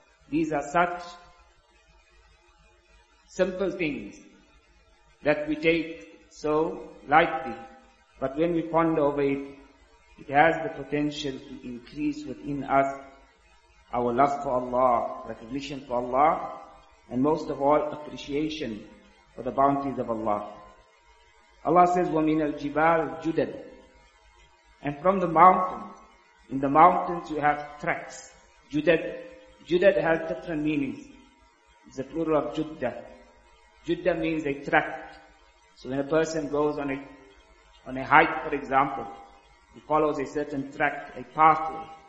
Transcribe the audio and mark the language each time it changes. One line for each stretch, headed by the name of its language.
English: These are such simple things that we take so lightly, but when we ponder over it, it has the potential to increase within us our love for Allah, recognition for Allah, and most of all, appreciation for the bounties of Allah. Allah says,
Arabic: وَمِنَ الْجِبَالِ جُدَدِ.
English: And from the mountain, in the mountains you have tracks, جُدَدِ. Judad has different meanings. It's the plural of Judda. Judda means a track. So when a person goes on a hike, for example, he follows a certain track, a pathway.